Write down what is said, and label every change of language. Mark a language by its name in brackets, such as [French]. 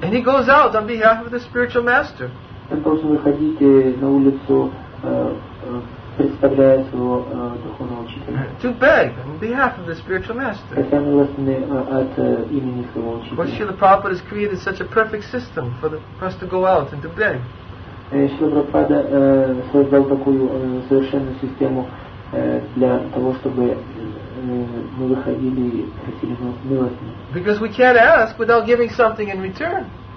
[English] And he goes out on behalf of the spiritual master. [Russian] Он должен выходить на улицу представляет своего духовного учителя. [English] To beg on behalf of the spiritual master. [Russian] Хотя милостыня от имени своего учителя. [English] But Srila Prabhupada has created such a perfect system for us to go out and to beg. [Russian] Srila Prabhupada создал такую совершенную систему для того, чтобы мы выходили и просили милостыню. [English] Because we can't ask without giving something in return.